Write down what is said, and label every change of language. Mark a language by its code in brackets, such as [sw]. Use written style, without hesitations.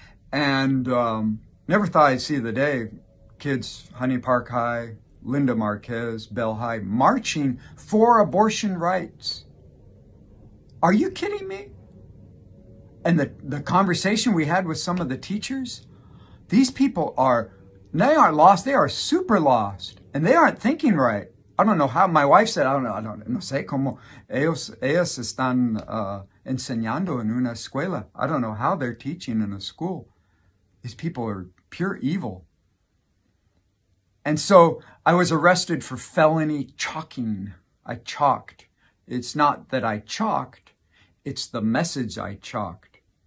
[en] And never thought I'd see the day, kids, Huntington Park High, Linda Marquez, Bell High, marching for abortion rights. Are you kidding me? And the conversation we had with some of the teachers, these people are, they aren't lost, they are super lost, and they aren't thinking right. I don't know how, my wife said, I don't know, [es] no sé cómo, ellos están enseñando en una escuela. [en] I don't know how they're teaching in a school. These people are pure evil. And so I was arrested for felony chalking. I chalked. It's not that I chalked, it's the message I chalked.